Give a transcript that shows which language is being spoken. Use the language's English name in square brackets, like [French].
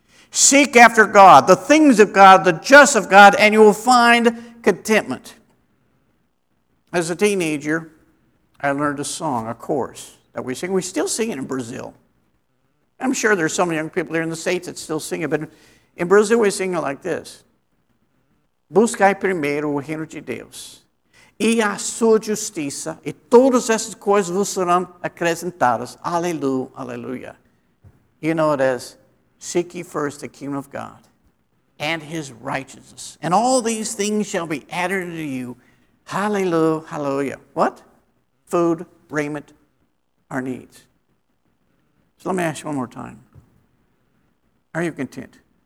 [English] Seek after God, the things of God, the just of God, and you will find contentment. As a teenager, I learned a song, a chorus that we sing. We still sing it in Brazil. I'm sure there's some young people here in the States that still sing it, but in Brazil we sing it like this. [Portuguese] Buscai primeiro o reino de Deus e a sua justiça e todas essas coisas vos serão acrescentadas. Aleluia, aleluia. [English] You know it as, seek ye first the kingdom of God and his righteousness. And all these things shall be added unto you. Hallelujah, hallelujah. What? Food, raiment, our needs. So let me ask you one more time. Are you content?